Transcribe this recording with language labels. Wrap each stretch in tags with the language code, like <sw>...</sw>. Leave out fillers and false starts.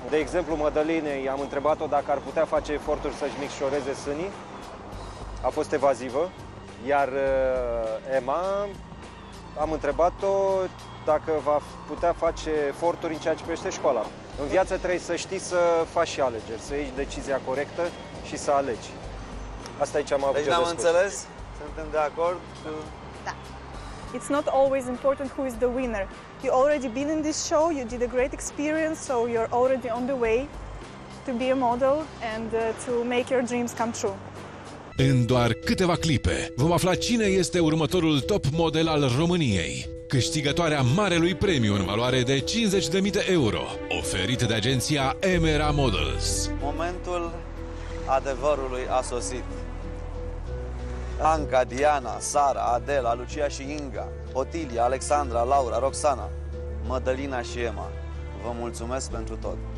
<ro>De exemplu, Mădălinei, am întrebat-o dacă ar putea face eforturi să-și micșoreze sânii. A fost evazivă. Iar Emma, am întrebat-o dacă va putea face eforturi în ceea ce privește școala. În viață trebuie să știi să faci și alegeri, să iei decizia corectă și să alegi. Asta e ce am avut deci de spus. Deci am înțeles? Suntem de acord? Tu? Da.</ro> <en>It's not always important who is the winner. You already been in this show, you did a great experience, so you're already on the way to be a model and to make your dreams come true.</en> <ro>În doar câteva clipe vom afla cine este următorul top model al României, câștigătoarea marelui premiu în valoare de 50.000 de euro, oferit de agenția Emera Models. Momentul adevărului a sosit. Anca, Diana, Sara, Adela, Lucia și Inga, Otilia, Alexandra, Laura, Roxana, Mădălina și Emma, vă mulțumesc pentru tot.</ro>